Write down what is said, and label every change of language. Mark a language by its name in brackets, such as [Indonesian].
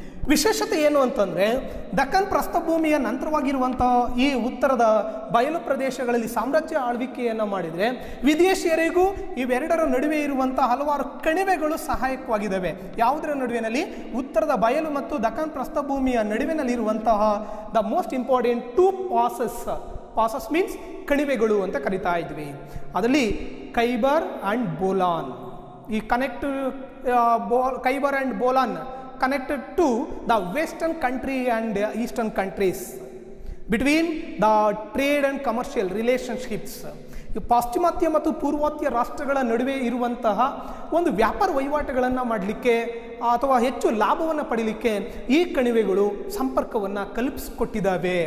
[Kannada] ವಿಶೇಷತೆ ಏನು ಅಂತಂದರೆ, ದಕ್ಕನ್ ಪ್ರಸ್ಥಭೂಮಿಯ ನಂತರವಾಗಿರುವಂತಹ ಈ ಉತ್ತರದ ಬಯಲು ಪ್ರದೇಶಗಳಲ್ಲಿ ಸಾಮ್ರಾಜ್ಯ ಆಳ್ವಿಕೆಯನ್ನು ಮಾಡಿದರೆ ವಿದೇಶಿಯರಿಗೂ ಇವೆರಡರ ನಡುವೆ ಇರುವಂಥ ಹಲವಾರು ಕಣಿವೆಗಳು ಸಹಾಯಕವಾಗಿದ್ದಾವೆ. ಯಾವುದರ ನಡುವಿನಲ್ಲಿ, ಉತ್ತರದ ಬಯಲು ಮತ್ತು Deccan ಪ್ರಸ್ಥಭೂಮಿಯ ನಡುವಿನಲ್ಲಿರುವಂತಹ [English] the most important two passes, passes means [Kannada] ಕಣಿವೆಗಳು ಅಂತ ಕರಿತಾ ಇದ್ವಿ. ಅದರಲ್ಲಿ [English] Khyber and Bolan, ಈ connect Khyber and Bolan connected to the western country and eastern countries between the trade and commercial relationships. [Kannada] ಈ ಪಾಶ್ಚಿಮಾತ್ಯ ಮತ್ತು ಪೂರ್ವಾತ್ಯ ರಾಷ್ಟ್ರಗಳ ನಡುವೆ ಇರುವಂತಹ ಒಂದು ವ್ಯಾಪಾರ ವಹಿವಾಟುಗಳನ್ನು ಮಾಡಲಿಕ್ಕೆ ಅಥವಾ ಹೆಚ್ಚು ಲಾಭವನ್ನು ಪಡೀಲಿಕ್ಕೆ ಈ ಕಣಿವೆಗಳು ಸಂಪರ್ಕವನ್ನು ಕಲ್ಪಿಸಿಕೊಟ್ಟಿದ್ದಾವೆ.